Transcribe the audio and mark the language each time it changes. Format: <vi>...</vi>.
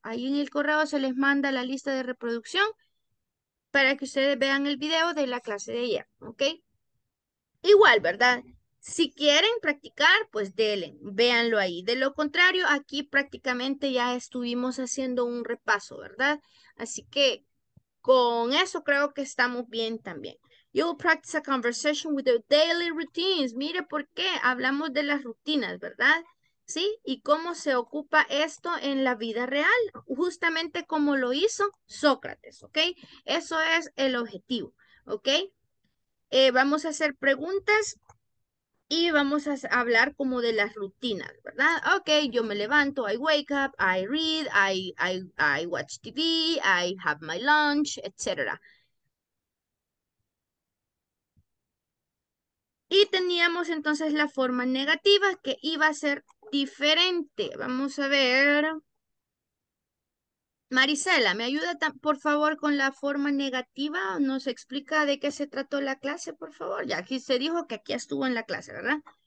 <es>Ahí en el correo se les manda la lista de reproducción para que ustedes vean el video de la clase de ayer, ¿ok? Igual, ¿verdad? Si quieren practicar, pues denle, véanlo ahí. De lo contrario, aquí prácticamente ya estuvimos haciendo un repaso, ¿verdad? Así que con eso creo que estamos bien también.</es> <en>You will practice a conversation with your daily routines.</en> <es>Mire por qué hablamos de las rutinas, ¿verdad? ¿Sí? Y cómo se ocupa esto en la vida real, justamente como lo hizo Sócrates, ¿ok? Eso es el objetivo, ¿ok? Vamos a hacer preguntas. Y vamos a hablar como de las rutinas, ¿verdad?</es> <en>Ok,</en> <es>yo me levanto,</es> <en>I wake up, I read, I watch TV, I have my lunch, etc.</en> <es>Y teníamos entonces la forma negativa que iba a ser diferente. Vamos a ver. Marisela, ¿me ayuda por favor con la forma negativa? ¿Nos explica de qué se trató la clase, por favor? Ya aquí se dijo que aquí estuvo en la clase, ¿verdad?</es>